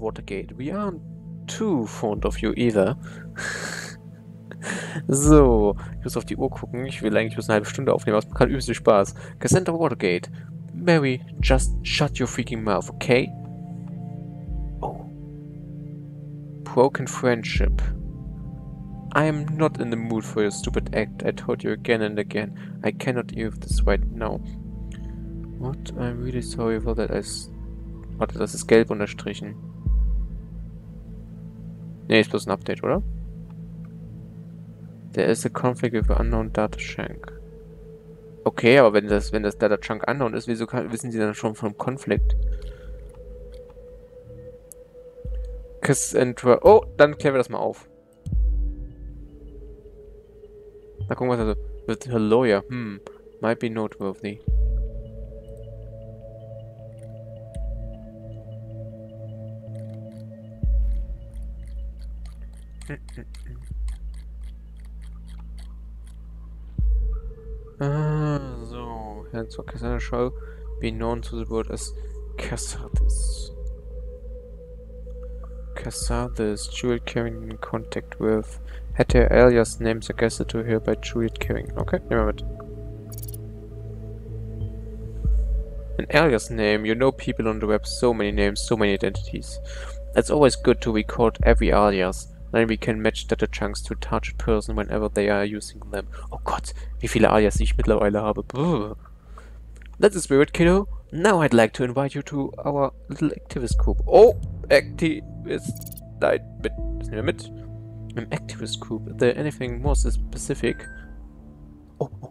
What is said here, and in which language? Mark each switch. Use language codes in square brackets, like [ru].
[en] Watergate, we aren't too fond of you either. [de] So, ich muss auf die Uhr gucken. Ich will eigentlich bloß eine halbe Stunde aufnehmen, aber es macht übelst viel Spaß. [en] Cassandra Watergate. Mary, just shut your freaking mouth, okay? Oh. Broken friendship. I'm not in the mood for your stupid act. I told you again and again. I cannot deal with this right now. What? I'm really sorry for that. [de] Warte, das ist gelb unterstrichen. Ne, ist bloß ein Update, oder? [en] There is a conflict with unknown data chunk. [de] Okay, aber wenn das Data Chunk unknown ist, wieso wissen sie dann schon vom Konflikt? Cassandra. Oh, dann klären wir das mal auf. Na, gucken wir mal. [en] With her lawyer. Might be noteworthy. Hm. So, hence what Cassandra shall be known to the world as Cassardis. Cassardis, Juliet Carrington in contact with. Had her alias name suggested to her by Juliet Carrington. Okay, never mind. An alias name, you know people on the web, so many names, so many identities. It's always good to record every alias, then we can match data chunks to touch a person whenever they are using them. [de] Oh Gott, wie viele alias ich mittlerweile habe. [en] Brr. That's the spirit, kiddo. Now I'd like to invite you to our little activist group. [de] Oh, activist. Nein, mit. Das nehmen wir mit. [en] An activist group. Is there anything more specific? Oh.